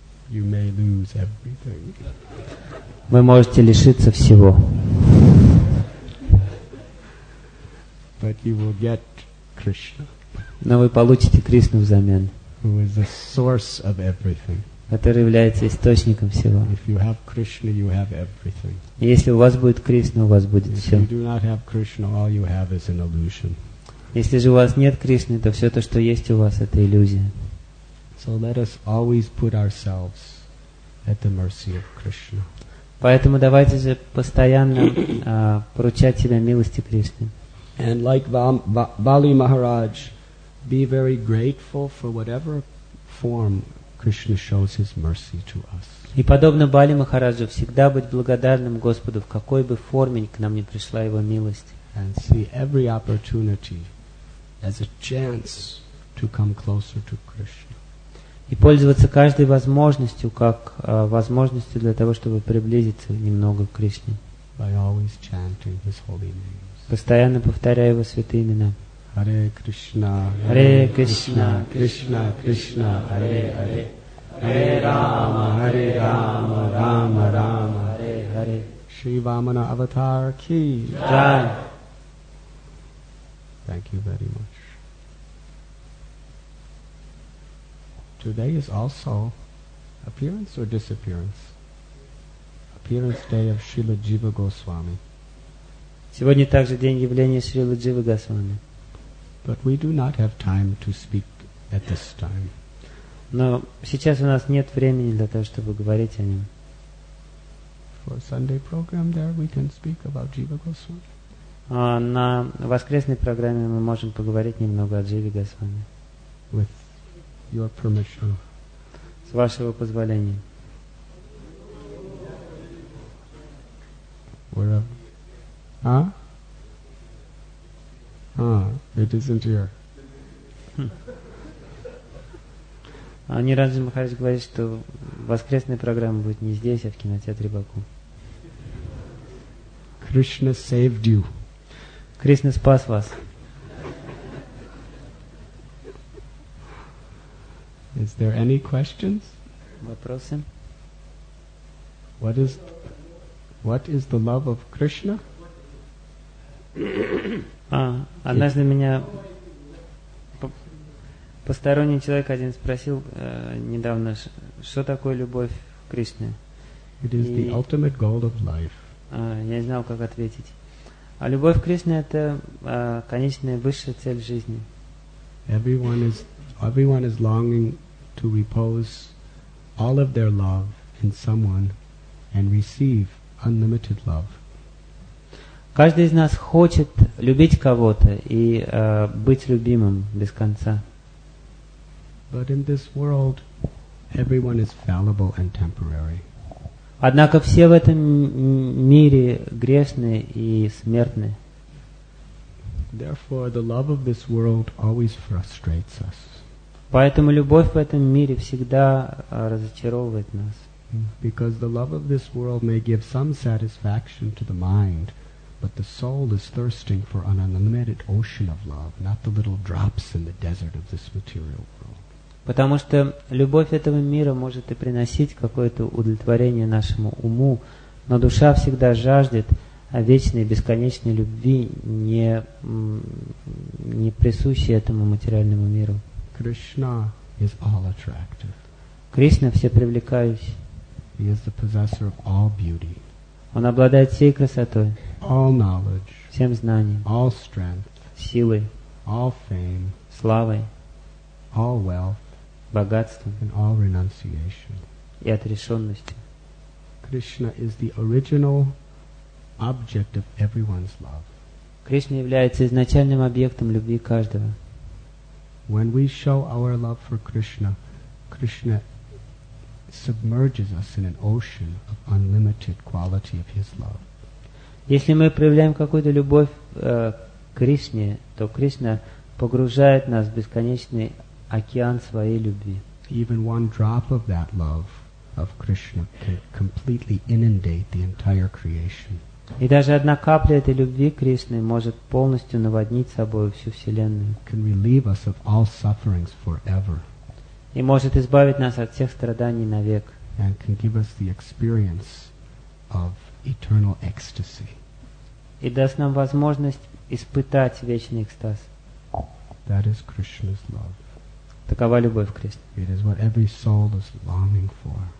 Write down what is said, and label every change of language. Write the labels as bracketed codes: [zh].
[en] You may lose everything. [ru] Вы можете лишиться всего. [en] But you will get Krishna. [ru] Но вы получите Кришну взамен. [en] Who is the source of everything. [ru] Который является источником всего. [en] If you have Krishna, you have everything. [ru] Если у вас будет Кришна, у вас будет [en] If [ru] все. [en] You do not have Krishna, all you have is an illusion. [ru] Если же у вас нет Кришны, то все то, что есть у вас, это иллюзия. [en] So let us always put ourselves at the mercy of Krishna. [ru] Поэтому давайте же постоянно поручать себя милости Кришны. [en] And like Бали Махарадж, be very grateful for whatever form Krishna shows his mercy to us. [ru] И подобно Бали Махараджу, всегда быть благодарным Господу, в какой бы форме к нам ни пришла его милость. [en] And see every opportunity as a chance to come closer to Krishna. [ru] И пользоваться каждой возможностью, как возможностью для того, чтобы приблизиться немного к Кришне. [en] By always chanting his holy names. [ru] Постоянно повторяя его святые имена. [sa] Харе Кришна, Харе Кришна, Кришна Кришна, Харе Харе. Харе Рама, Харе Рама, Рама Рама, Харе Харе. Шри Вамана Аватар Ки. Джай. [en] Thank you very much. Today is also appearance or disappearance? Appearance day of Srila Jiva Goswami. [ru] Сегодня также день явления Шрилы Дживы Госвами. [en] But we do not have time to speak at this time. [ru] Но сейчас у нас нет времени для того, чтобы говорить о нем. [en] For Sunday program there we can speak about Jiva Goswami. [ru] На воскресной программе мы можем поговорить немного о Дживе Госвами. [en] With Your permission. [ru] С вашего позволения. [en] Where are we? Huh? It isn't here. [ru] Ниранджан Махарадж говорит, что воскресная программа будет не здесь, а в кинотеатре Баку. [en] Krishna saved you. [ru] Кришна спас вас. [en] Is there any questions? [ru] Вопросы? [en] What is the love of Krishna? [ru] Однажды меня посторонний человек один спросил недавно, что такое любовь Кришны? [en] It is the ultimate goal of life. [ru] Я не знал, как ответить. А любовь Кришны – это конечная высшая цель жизни. [en] Everyone is longing to repose all of their love in someone and receive unlimited love. [ru] Каждый из нас хочет любить кого-то и быть любимым без конца. [en] But in this world, everyone is fallible and temporary. [ru] Однако все в этом мире грешны и смертны. [en] Therefore, the love of this world always frustrates us. [ru] Поэтому любовь в этом мире всегда разочаровывает нас. [en] Because the love of this world may give some satisfaction to the mind, but the soul is thirsting for an unlimited ocean of love, not the little drops in the desert of this material world. [ru] Потому что любовь этого мира может и приносить какое-то удовлетворение нашему уму, но душа всегда жаждет о вечной бесконечной любви не, не присущей этому материальному миру. [en] Krishna is all attractive. [ru] Кришна всепривлекающий. [en] He is the possessor of all beauty. [ru] Он обладает всей красотой. [en] All knowledge. [ru] Всем знанием. [en] All strength. [ru] Силой. [en] All fame. [ru] Славой. [en] All wealth. [ru] Богатством. [en] And all renunciation. [ru] И отрешенностью. [en] Krishna is the original object of everyone's love. [ru] Кришна является изначальным объектом любви каждого. [en] When we show our love for Krishna, Krishna submerges us in an ocean of unlimited quality of His love. [ru] Если мы проявляем какую-то любовь к Кришне, то Кришна погружает нас в бесконечный океан своей любви. [en] Even one drop of that love of Krishna can completely inundate the entire creation. [ru] И даже одна капля этой любви Кришны может полностью наводнить собой всю вселенную. [en] Can relieve us of all sufferings forever. [ru] И может избавить нас от всех страданий навек. [en] And can give us the experience of eternal ecstasy. [ru] И даст нам возможность испытать вечный экстаз. [en] That is Krishna's love. [ru] Такова любовь Кришны. [en] It is what every soul is longing for.